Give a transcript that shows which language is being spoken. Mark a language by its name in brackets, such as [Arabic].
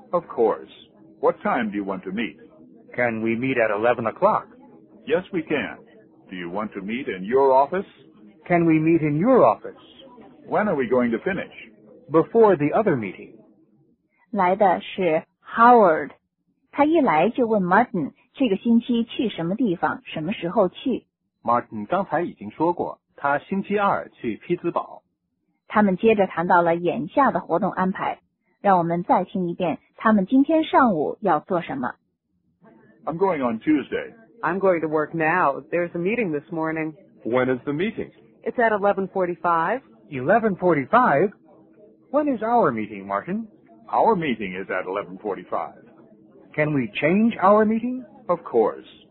[English] Of course. What time do you want to meet? Can we meet at 11 o'clock? Yes, we can. Do you want to meet in your office? Can we meet in your office? When are we going to finish? Before the other meeting. [Chinese] 来的是 Howard. 他一来就问 Martin 这个星期去什么地方，什么时候去。 Martin 刚才已经说过，他星期二去匹兹堡。他们接着谈到了眼下的活动安排。让我们再听一遍他们今天上午要做什么。 [English] I'm going on Tuesday. I'm going to work now. There's a meeting this morning. When is the meeting? It's at 11:45. 11:45? When is our meeting, Martin? Our meeting is at 11:45. Can we change our meeting? Of course.